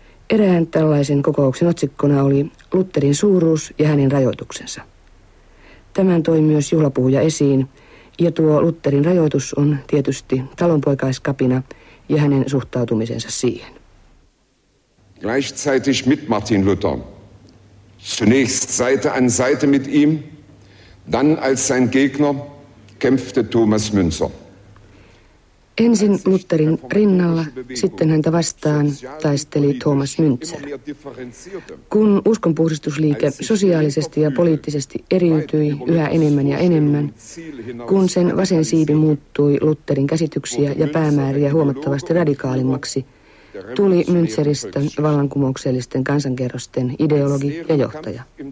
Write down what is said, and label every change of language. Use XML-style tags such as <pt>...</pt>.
<fi>Erään tällaisen kokouksen otsikkona oli Lutherin suuruus ja hänen rajoituksensa. Tämän toi myös juhlapuhuja esiin, ja tuo Lutherin rajoitus on tietysti talonpoikaiskapina ja hänen suhtautumisensa siihen.</fi> <de>Gleichzeitig mit Martin Luther. Zunächst Seite an Seite mit ihm, dann als sein Gegner kämpfte Thomas Münzer.</de> <fi>Ensin Lutherin rinnalla, sitten häntä vastaan taisteli Thomas Müntzer. Kun uskonpuhdistusliike sosiaalisesti ja poliittisesti eriytyi yhä enemmän ja enemmän, kun sen vasen siipi muuttui Lutherin käsityksiä ja päämääriä huomattavasti radikaalimmaksi, tuli Müntzeristä vallankumouksellisten kansankerrosten ideologi ja johtaja.</fi>